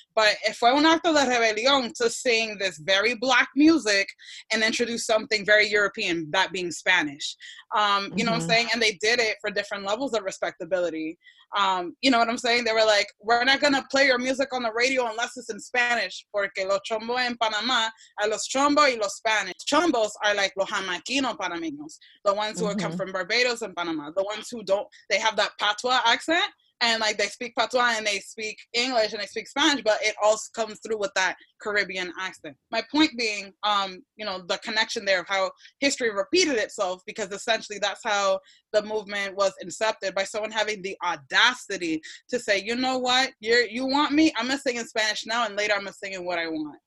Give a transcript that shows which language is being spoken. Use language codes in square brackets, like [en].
[en] But if [es] fue un acto de rebelión [en] to sing this very Black music and introduce something very European, that being Spanish. You know what I'm saying? And they did it for different levels of respectability. You know what I'm saying? They were like, we're not going to play your music on the radio unless it's in Spanish. [es] Porque los chombos en Panamá are los chombos y los Spanish. [en] Chombos are like [es] los jamaquino panameños, [en] the ones who come from Barbados and Panama, the ones who don't, they have that patois accent, and like they speak patois and they speak English and they speak Spanish, but it also comes through with that Caribbean accent. My point being, you know, the connection there of how history repeated itself, because essentially that's how the movement was incepted, by someone having the audacity to say, you know what, you want me, I'm gonna sing in Spanish now, and later I'm gonna sing in what I want.